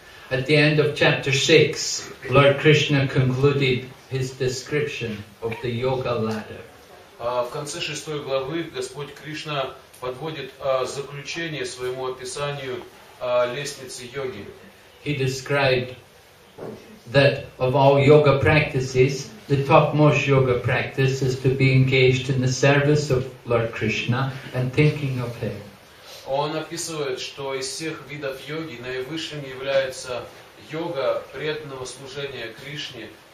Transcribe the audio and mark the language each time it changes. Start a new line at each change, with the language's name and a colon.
English: At the end of chapter 6, Lord Krishna concluded His description of the yoga ladder.
Russian: В конце шестой главы Господь Кришна подводит заключение своему описанию лестницы йоги.
English: He described that of all yoga practices, the topmost yoga practice is to be engaged in the service of Lord Krishna and thinking of Him.
Russian: Он описывает, что из всех видов йоги наивысшим является йога преданного служения Кришне.